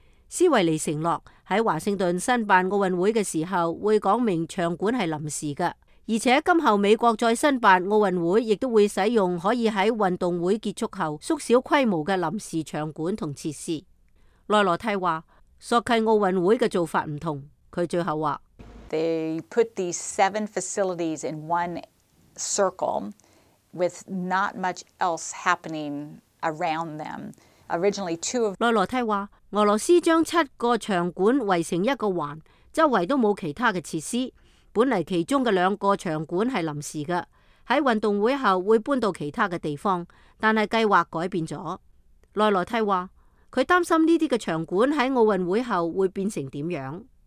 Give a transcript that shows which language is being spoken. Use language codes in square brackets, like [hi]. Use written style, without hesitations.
[zh] 斯维尼承诺在华盛顿申办奥运会的时候会讲明场馆是临时的，而且今后美国再申办奥运会亦都会使用可以在运动会结束后缩小规模的临时场馆和设施。内罗蒂说索契奥运会的做法不同，他最后说 [en] They put these seven facilities in one circle with not much else happening around them. Originally two of [zh] 内罗蒂说俄罗斯将七个场馆围成一个环，周围都没有其他的设施，本来其中的两个场馆是临时的，在运动会后会搬到其他的地方，但是计划改变了。内罗蒂说他担心这些场馆在奥运会后会变成怎样。